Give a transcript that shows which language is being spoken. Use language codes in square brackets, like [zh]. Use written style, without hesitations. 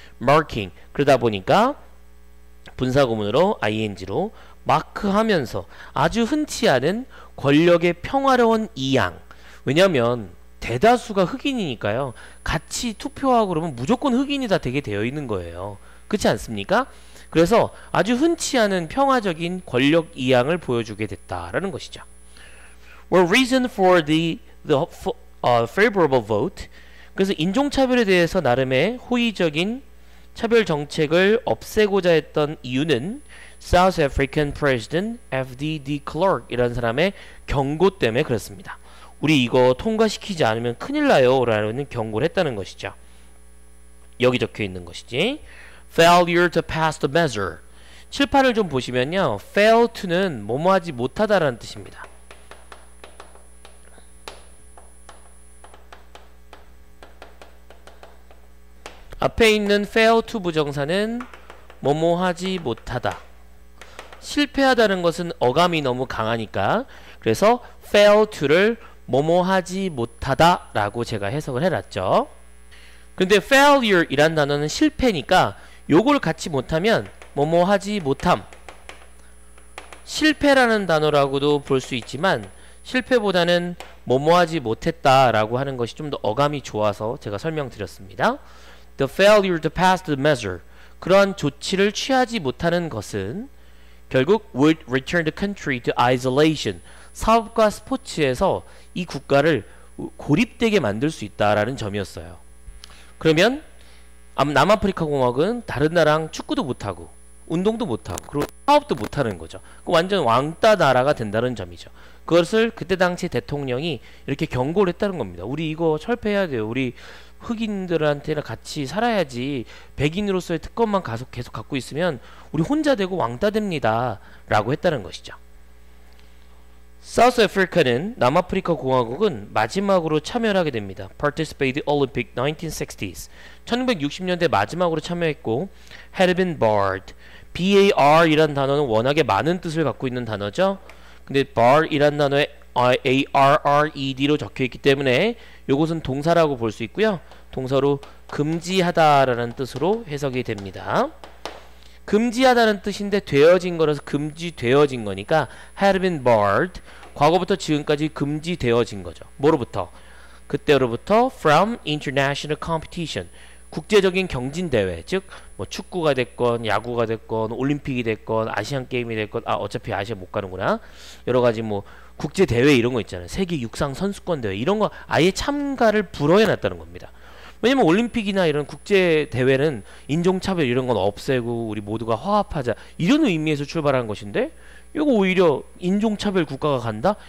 [ko] Marking, 그러다 보니까 분사구문으로 ing로 마크하면서 아주 흔치 않은 권력의 평화로운 이양. 왜냐하면 대다수가 흑인이니까요. 같이 투표하고 그러면 무조건 흑인이 다 되게 되어 있는 거예요. 그렇지 않습니까? 그래서 아주 흔치 않은 평화적인 권력 이양을 보여주게 됐다라는 것이죠. [en] Well, reason for the favorable vote. [ko] 그래서 인종차별에 대해서 나름의 호의적인 차별 정책을 없애고자 했던 이유는 South African President F.D.D. Clark 이런 사람의 경고 때문에 그렇습니다. 우리 이거 통과시키지 않으면 큰일 나요 라는 경고를 했다는 것이죠. 여기 적혀 있는 것이지. [en] Failure to pass the measure. [ko] 칠판을 좀 보시면요. Fail to는 뭐뭐하지 못하다라는 뜻입니다. 앞에 있는 fail to 부정사는 뭐뭐하지 못하다. 실패하다는 것은 어감이 너무 강하니까, 그래서 fail to를 뭐뭐하지 못하다라고 제가 해석을 해놨죠. 근데 failure 이란 단어는 실패니까, 요걸 갖지 못하면 뭐뭐하지 못함. 실패라는 단어라고도 볼수 있지만, 실패보다는 뭐뭐하지 못했다라고 하는 것이 좀더 어감이 좋아서 제가 설명드렸습니다. [en] The failure to pass the measure. [ko] 그러한 조치를 취하지 못하는 것은 결국 would return the country to isolation. 사업과 스포츠에서 이 국가를 고립되게 만들 수 있다라는 점이었어요. 그러면 남아프리카 공화국은 다른 나라랑 축구도 못하고 운동도 못하고 그리고 사업도 못하는 거죠. 완전 왕따 나라가 된다는 점이죠. 그것을 그때 당시 대통령이 이렇게 경고를 했다는 겁니다. 우리 이거 철폐해야 돼요. 우리 흑인들한테나 같이 살아야지 백인으로서의 특권만 계속 갖고 있으면 우리 혼자 되고 왕따 됩니다 라고 했다는 것이죠. South Africa는 남아프리카 공화국은 마지막으로 참여하게 됩니다. [en] Participated Olympic 1960s [ko] 1960년대 마지막으로 참여했고 [en] had been barred. [ko] BAR 이란 단어는 워낙에 많은 뜻을 갖고 있는 단어죠. 근데 bar 이란 단어에 ARRED로 적혀 있기 때문에 이것은 동사라고 볼수 있고요. 동사로 금지하다라는 뜻으로 해석이 됩니다. 금지하다는 뜻인데 되어진 거라서 금지되어진 거니까 had been barred. 과거부터 지금까지 금지되어진 거죠. 뭐로부터? 그때로부터 [en] from international competition. [ko] 국제적인 경진 대회, 즉뭐 축구가 됐건 야구가 됐건 올림픽이 됐건 아시안 게임이 됐건 아 어차피 아시아 못 가는구나. 여러 가지 뭐 국제 대회 이런 거 있잖아요. 세계 육상 선수권 대회 이런 거 아예 참가를 불허해 놨다는 겁니다. 왜냐면 올림픽이나 이런 국제 대회는 인종차별 이런 건 없애고 우리 모두가 화합하자 이런 의미에서 출발한 것인데 이거 오히려 인종차별 국가가 간다?